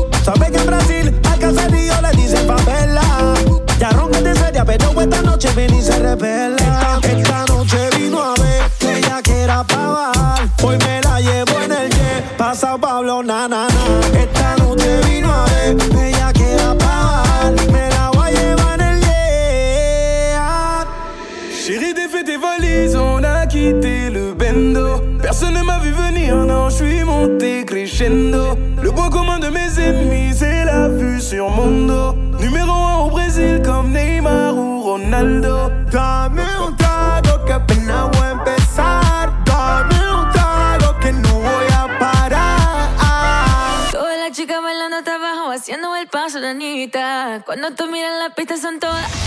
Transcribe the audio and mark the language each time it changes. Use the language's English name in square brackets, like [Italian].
[Spanish] Sabe que en Brasil al caserío le dicen favela. Ya ronca de seria, pero esta noche viene y se revela. Esta noche vino a ver que ella quiera pa' bajar. Hoy me la llevo en el jet, pa' San Pablo, na, na, na. Esta noche vino a ver que ella quiera pa' bajar. Me la voy a llevar en el jet. [French] Chérie, défait tes valises, on a quitté le bendo. Personne ne m'a vu venir, non, je suis monté crescendo. Le point commun de mes ennemis, c'est la vue sur mon dos. Numéro 1 au Brésil, comme Neymar ou Ronaldo. [Spanish] Dame un trago, que apenas voy a empezar. Dame un trago, que no voy a parar. Toda la chica bailando hasta abajo, haciendo el paso de Anita. Cuando tú miras la pista, son todas